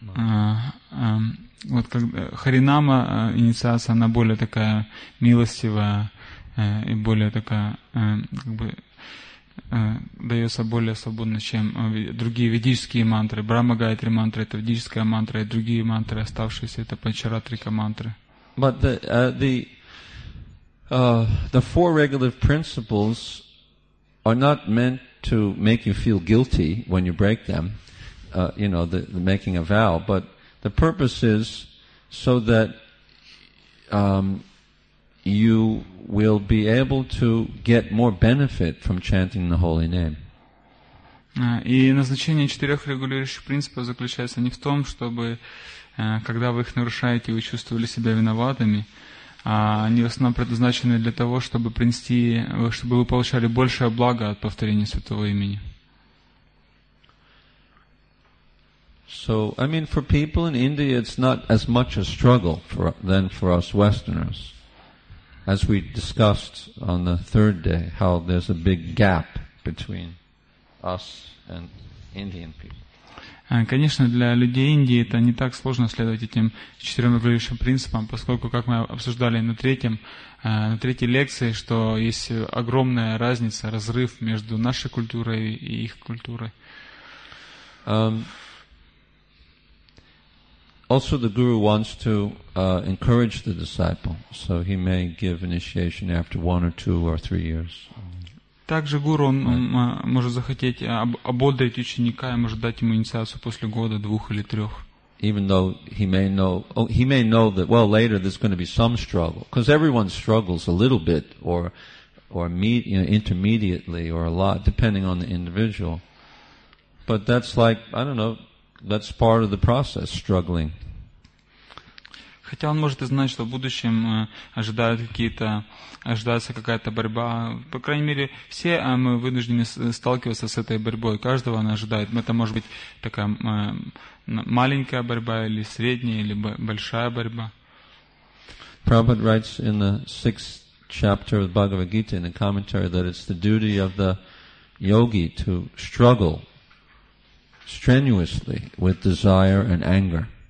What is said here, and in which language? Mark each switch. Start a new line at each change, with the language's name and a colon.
Russian: Вот как Харинама инициация, она более такая милостивая и более такая как бы дается более свободно, чем другие ведические мантры. Брахма Гаятри мантра это ведическая мантра, и другие мантры, оставшиеся, это Панчаратрика мантры.
English: But the four regulative principles are not meant to make you feel guilty when you break them. You know, the making a vow, but the purpose is so that you will be able to get more benefit from chanting the holy name.
Russian: И назначение четырех регулирующих принципов заключается не в том, чтобы, когда вы их нарушаете, вы чувствовали себя виноватыми, а они в основном предназначены для того, чтобы принести, чтобы вы получали большее благо от повторения святого имени.
English: So, I mean, for people in India, it's not as much a struggle for, than for us Westerners. As we discussed on the third day, how there's a big gap between us and Indian people.
Russian: Конечно, для людей Индии это не так сложно следовать этим четырем регулирующим принципам, поскольку, как мы обсуждали на третьей лекции, что есть огромная разница, разрыв между нашей культурой и их культурой.
English: Also, the guru wants to encourage the disciple, so he may give initiation after 1 or 2 or 3 years.
Russian: Также гуру он может захотеть ободрить ученика и может дать ему инициацию после года, двух или трех.
English: Even though he may know that well later there's going to be some struggle, because everyone struggles a little bit intermediately or a lot, depending on the individual. But that's like I don't know. That's part of the process, struggling.
Russian: Хотя он может и знать, что в будущем ожидается какая-то борьба. По крайней мере, все мы вынуждены сталкиваться с этой борьбой. Каждого она ожидает. Это может быть такая маленькая борьба, или средняя, или большая борьба.
English: Prabhupada writes in the 6th chapter of the Bhagavad Gita in the commentary that it's the duty of the yogi to struggle strenuously with desire and anger.